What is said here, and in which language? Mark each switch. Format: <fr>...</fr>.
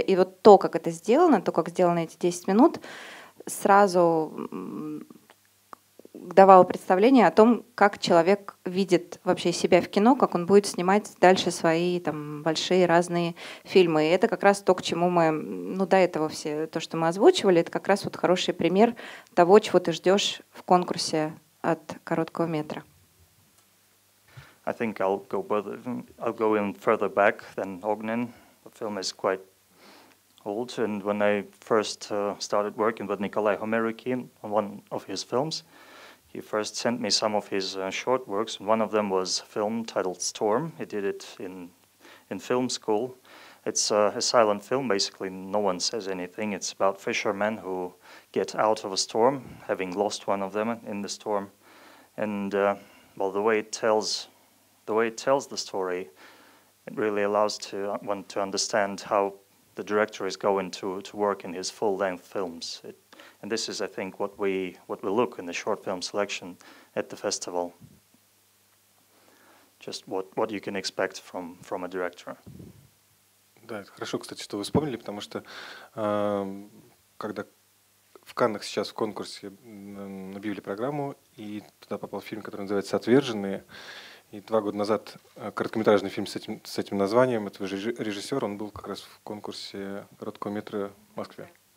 <ru>И вот то, как это сделано, то, как сделаны эти 10 минут, сразу давало представление о том, как человек видит вообще себя в кино, как он будет снимать дальше свои там большие разные фильмы. И это как раз то, к чему мы, ну, до этого все, то, что мы озвучивали, это как раз вот хороший пример того, чего ты ждешь в конкурсе от короткого метра.</ru> <en>I think I'll go in further back than Ognen. The film is quite old, and when I first started working with Nikolai Homeriki on one of his films, he first sent me some of his short works. One of them was a film titled Storm. He did it in film school. It's a silent film. Basically, no one says anything. It's about fishermen who get out of a storm, having lost one of them in the storm. And the way it tells the story, it really allows one to understand how the director is going to work in his full-length films. And this is, I think, what we look in the short film selection at the festival. Just what you can expect from a director.</en> <ru>Да, это хорошо, кстати, что вы вспомнили, потому что когда в Каннах сейчас в конкурсе объявили программу, и туда попал фильм, который называется «Отверженные», и 2 года назад короткометражный фильм с этим названием этого же режиссера, он был как раз в конкурсе короткого метра в Москве.</ru>